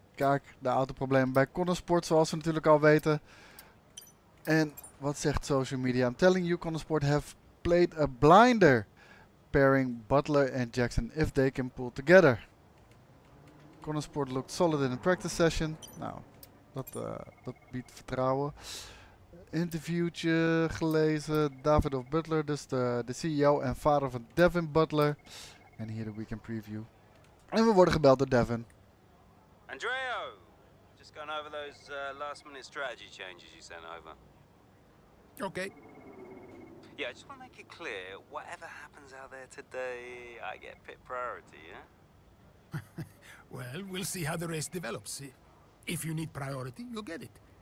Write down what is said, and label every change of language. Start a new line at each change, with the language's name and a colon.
Dutch: Kijk, de autoproblemen bij Konnersport, zoals we natuurlijk al weten. En wat zegt social media?
English: I'm telling you, Konnersport have played a blinder pairing Butler and Jackson if they can pull together. Konnersport looked solid in a practice session.
Dutch: Nou, dat biedt vertrouwen. Interviewtje gelezen. David of Butler, dus de CEO en vader van Devon Butler. En hier de weekend preview. En we worden gebeld door Devon.
English: Andrea, just going over those last minute strategy changes you sent over. Okay. Yeah, I just want to make it clear, whatever happens out there today, I get pit priority, yeah? Well, we'll see how the race develops. If you need priority, you'll get it.